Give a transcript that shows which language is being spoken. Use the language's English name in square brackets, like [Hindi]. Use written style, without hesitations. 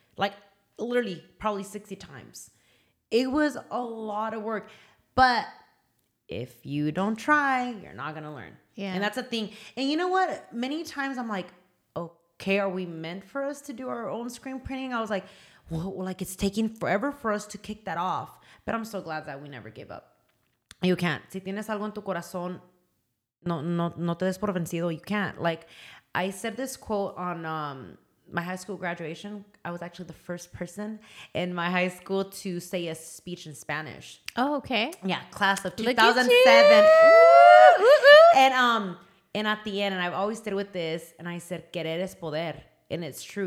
[English] Like, literally, probably 60 times. It was a lot of work, but if you don't try, you're not gonna learn. Yeah. And that's a thing. And you know what? Many times I'm like, okay, are we meant for us to do our own screen printing? I was like, well, like, it's taking forever for us to kick that off. But I'm so glad that we never gave up. You can't. [Spanish] Si tienes algo en tu corazón, no te des por vencido. [English] You can't. Like, I said this quote on my high school graduation. I was actually the first person in my high school to say a speech in Spanish. Oh, okay. Yeah, class of 2007. Look at you. And at the end, and I've always stayed with this, and I said, [Spanish] Querer es poder. [English] And it's true.